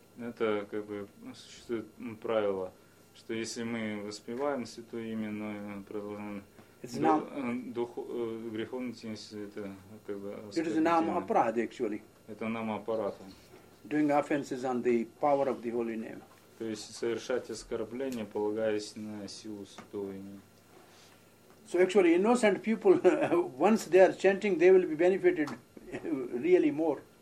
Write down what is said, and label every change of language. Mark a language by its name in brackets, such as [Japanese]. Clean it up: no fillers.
[Russian] Это как бы существует правило, что если мы воспеваем святое имя, но продолжаем греховную деятельность, это как бы оскорбление. [English] It is Naam Aparadha, actually. [Russian] Это Naam Aparadha. [English] Doing offenses on the power of the holy name. [Russian] То есть совершать оскорбление, полагаясь на силу святого имени. [English] So actually, innocent people, once they are chanting, they will be benefited really more.